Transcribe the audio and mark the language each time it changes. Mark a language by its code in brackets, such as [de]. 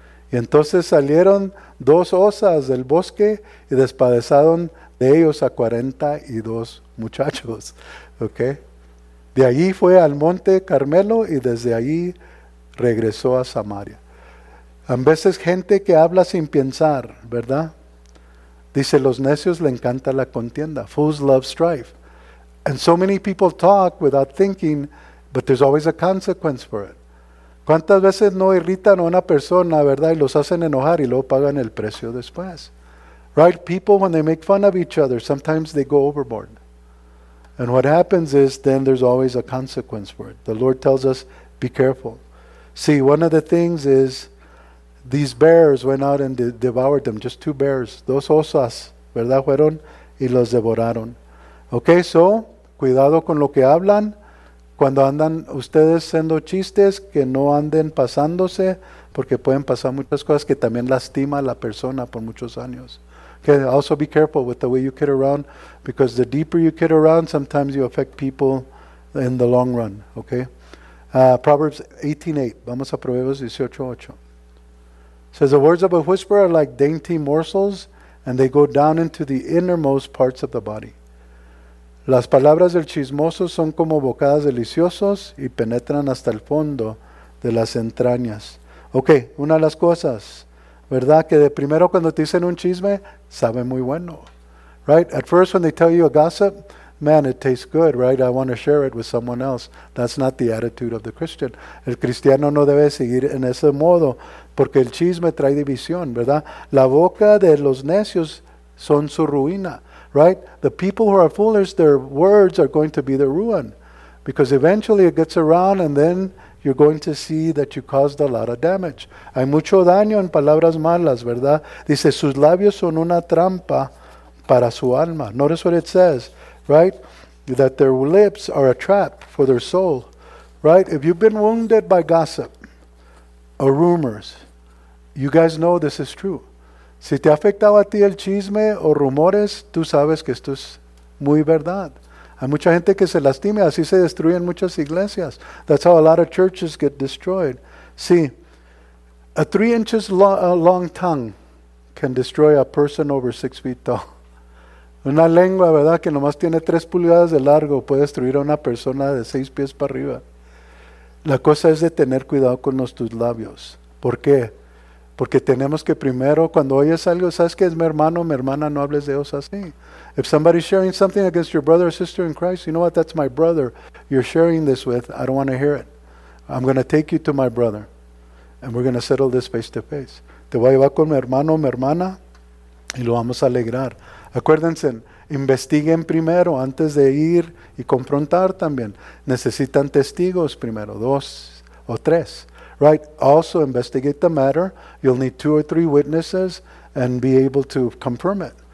[es] Y entonces salieron dos osas del bosque y despedazaron de ellos a 42 muchachos. Okay. De allí fue al monte Carmelo y desde allí regresó a Samaria. A veces gente que habla sin pensar, ¿verdad? Dice, los necios le encanta la contienda. [en] Fools love strife. And so many people talk without thinking, but there's always a consequence for it. [es] ¿Cuántas veces no irritan a una persona, verdad, y los hacen enojar y luego pagan el precio después? [en] Right? People, when they make fun of each other, sometimes they go overboard. And what happens is then there's always a consequence for it. The Lord tells us, be careful. See, one of the things is these bears went out and devoured them, just two bears. [es] Dos osas, ¿verdad? Fueron y los devoraron. Okay, so, cuidado con lo que hablan. Cuando andan ustedes haciendo chistes, que no anden pasándose, porque pueden pasar muchas cosas que también lastima a la persona por muchos años. [en] Okay, also be careful with the way you kid around, because the deeper you kid around, sometimes you affect people in the long run. Okay? [es] Proverbs 18:8. Vamos a Proverbios 18:8. [en] Says, the words of a whisperer are like dainty morsels, and they go down into the innermost parts of the body. [es] Las palabras del chismoso son como bocadas deliciosos y penetran hasta el fondo de las entrañas. Okay, una de las cosas, ¿verdad? Que de primero cuando te dicen un chisme, sabe muy bueno. [en] Right? At first when they tell you a gossip, man, it tastes good, right? I want to share it with someone else. That's not the attitude of the Christian. [es] El cristiano no debe seguir en ese modo, porque el chisme trae división, ¿verdad? La boca de los necios son su ruina. [en] Right? The people who are foolish, their words are going to be their ruin. Because eventually it gets around and then you're going to see that you caused a lot of damage. [es] Hay mucho daño en palabras malas, ¿verdad? Dice, sus labios son una trampa para su alma. [en] Notice what it says, right? That their lips are a trap for their soul. Right? If you've been wounded by gossip or rumors, you guys know this is true. [es] Si te ha afectado a ti el chisme o rumores, tú sabes que esto es muy verdad. Hay mucha gente que se lastima, así se destruyen muchas iglesias. [en] That's how a lot of churches get destroyed. See, a 3 inches long tongue can destroy a person over 6 feet tall. [es] Una lengua, ¿verdad?, que nomás tiene 3 pulgadas de largo puede destruir a una persona de 6 pies para arriba. La cosa es de tener cuidado con tus labios. ¿Por qué? Porque tenemos que primero, cuando oyes algo, ¿sabes qué es mi hermano, mi hermana? No hables de ellos así. [en] If somebody's sharing something against your brother or sister in Christ, you know what, that's my brother you're sharing this with. I don't want to hear it. I'm going to take you to my brother. And we're going to settle this face to face. [es] Te voy a llevar con mi hermano o mi hermana y lo vamos a alegrar. Acuérdense, investiguen primero antes de ir y confrontar también. Necesitan testigos primero, 2 o 3. [en] Right. Also investigate the matter. You'll need 2 or 3 witnesses and be able to confirm it.